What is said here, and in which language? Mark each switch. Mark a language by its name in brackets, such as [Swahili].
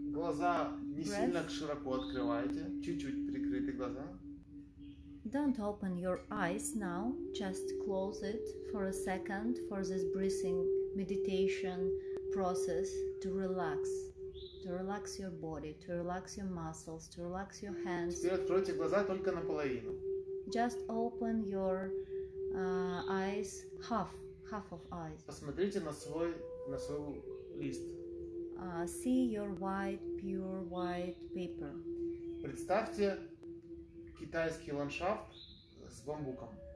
[Russian] Глаза не сильно широко открывайте, чуть-чуть прикрыты глаза. [English] Don't open your eyes now, just close it for a second for this breathing meditation process to relax. To relax your body, to relax your muscles, to relax your hands. [Russian] Теперь откройте глаза только наполовину. [English] Just open your eyes half of eyes. [Russian] Посмотрите на свой лист. [English] See your white, pure white paper. [Russian] Представьте китайский ландшафт с бамбуком.